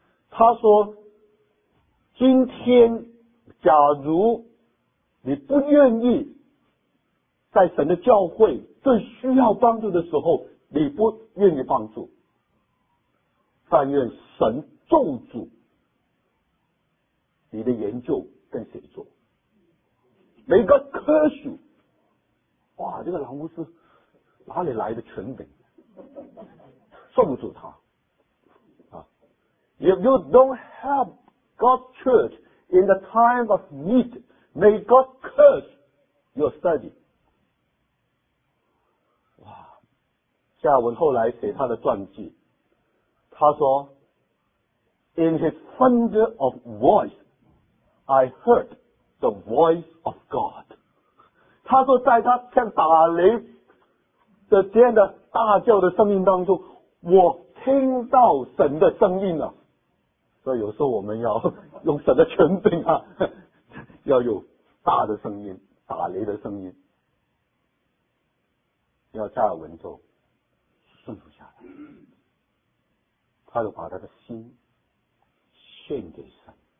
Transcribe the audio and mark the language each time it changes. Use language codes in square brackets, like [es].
[zh] 他说，今天假如你不愿意在神的教会最需要帮助的时候，你不愿意帮助，但愿神咒诅你的研究跟写作，每个科学。哇，这个老牧师哪里来的权柄，咒诅他。 [en] If you don't help God's church in the time of need, may God curse your study. [zh] 哇，加尔文后来写他的传记，他说 [en] In his thunder of voice, I heard the voice of God. [zh] 他说在他像打雷的这样的大叫的声音当中，我听到神的声音了。所以有时候我们要用神的权柄啊，要有大的声音，打雷的声音，要加尔文就顺服下来，他就把他的心献给神。